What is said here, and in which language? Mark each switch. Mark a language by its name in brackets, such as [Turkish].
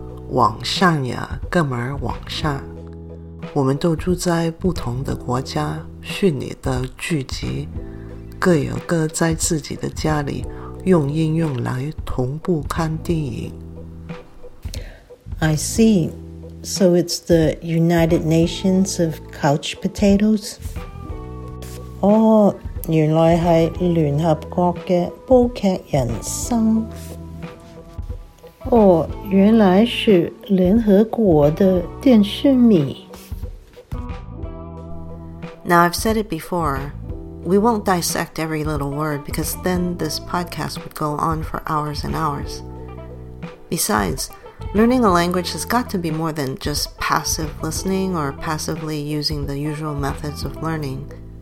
[Chinese] 网上呀，哥们儿，网上，我们都住在不同的国家，虚拟的聚集，各有各在自己的家里，用应用来同步看电影。 [English] I see. So it's the United Nations of Couch Potatoes? [Chinese] 哦，原来是联合国的煲剧人生。哦，原来是联合国的电视迷。 [English] Now I've said it before, we won't dissect every little word because then this podcast would go on for hours and hours. Besides, learning a language has got to be more than just passive listening or passively using the usual methods of learning.